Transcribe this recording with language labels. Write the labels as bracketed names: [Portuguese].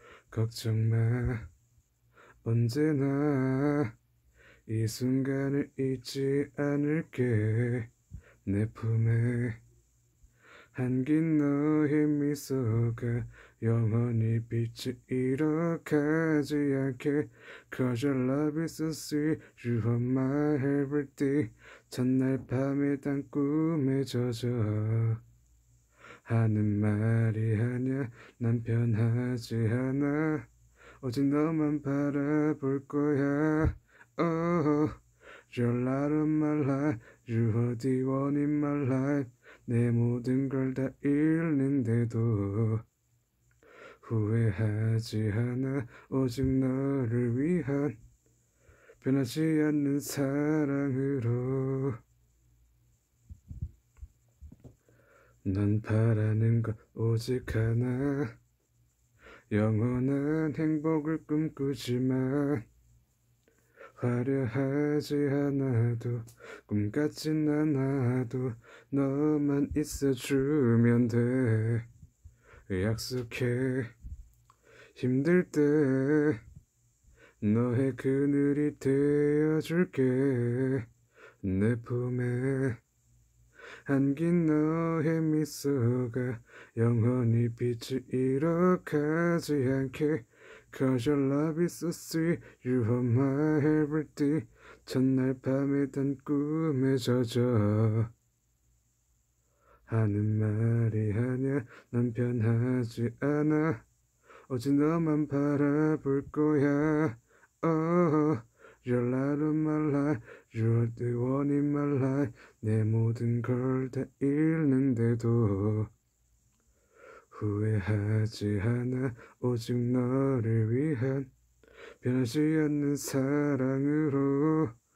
[Korean] 걱정 마, 언제나 이 순간을 잊지 않을게. 내 품에 안긴 너의 미소가 영원히 빛을 잃어가지 않게. [English] Cause your love is so sweet, you are my everything. [Korean] 첫날 밤에 단 꿈에 젖어 하는 말이 아냐, 난 변하지 않아. 오직 너만 바라볼 거야. [English] Oh, you're light of my life, you are the one in my life. [Korean] 내 모든 걸다 잃는데도 후회하지 않아. 오직 너를 위한 변하지 않는 사랑으로. 넌 바라는 것 오직 하나, 영원한 행복을 꿈꾸지만 화려하지 않아도, 꿈 같진 않아도, 너만 있어주면 돼. 약속해, 힘들 때 너의 그늘이 되어줄게. 내 품에 안긴 너의 미소가 영원히 빛을 잃어가지 않게. [English] Cause your love is so sweet, you are my everything. [Korean] 첫날 밤에 단 꿈에 젖어 하는 말이 아냐, 난 변하지 않아. 오직 너만 바라볼 거야. [English] Oh, you're light of my life, you're the one in my life. [Korean] 내 모든 걸다 잃는데도 후회하지 않아. 오직 너를 위한 변하지 않는 사랑으로.